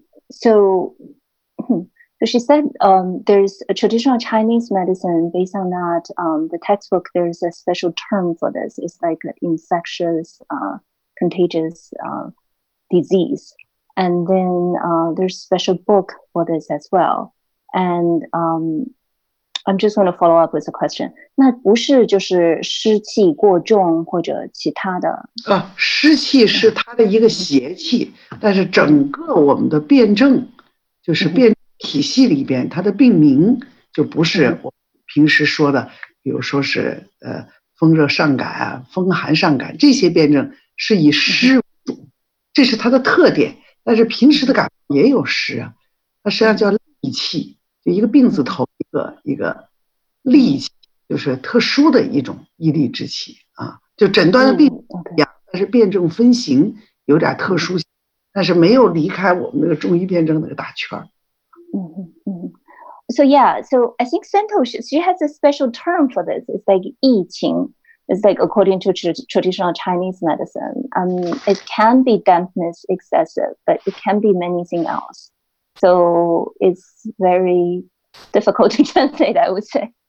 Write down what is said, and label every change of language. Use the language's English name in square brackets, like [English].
[English] So she said there's a traditional Chinese medicine based on that, the textbook, there's a special term for this. It's like an infectious, contagious disease. And then there's a special book for this as well. And I'm just going to follow up with a question. [Chinese] 那不是就是湿气过重或者其他的？湿气是它的一个邪气，但是整个我们的辩证就是辩体系里边，它的病名就不是我平时说的，比如说是风热上感啊、风寒上感这些辩证，是以湿为主，这是它的特点。但是平时的感冒也有湿啊，它实际上叫戾气，就一个病字头一个戾气，就是特殊的一种戾戾之气啊。就诊断的病一样，但是辩证分型有点特殊性，但是没有离开我们那个中医辩证那个大圈儿。 Mm-hmm. [English] So yeah, so I think Santosh, she has a special term for this. It's like 疫情, it's like according to traditional Chinese medicine. It can be dampness excessive, but it can be many things else. So it's very difficult to translate, I would say.